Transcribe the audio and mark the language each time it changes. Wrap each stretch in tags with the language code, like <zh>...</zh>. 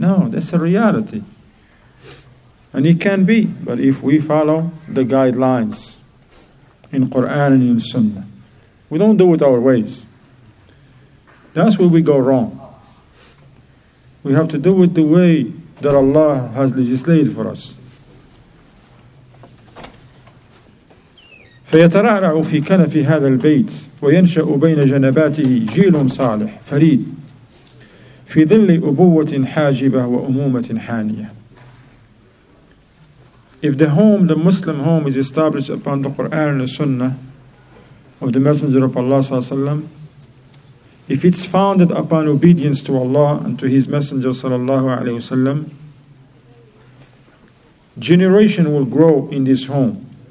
<en>No, that's a reality. And it can be, but if we follow the guidelines in Quran and in Sunnah, we don't do it our ways. That's where we go wrong. We have to do it the way that Allah has legislated for us.</en> <ar>فيترعرع في كنف هذا البيت وينشأ بين جنباته جيل صالح فريد في ظل أبوة حاجبة وأمومة حانية.</ar> <en>If the home, the Muslim home, is established upon the Quran and the Sunnah of the Messenger of Allah صلى الله عليه وسلم, if it's founded upon obedience to Allah and to His Messenger صلى الله عليه وسلم, generation will grow in this home.</en>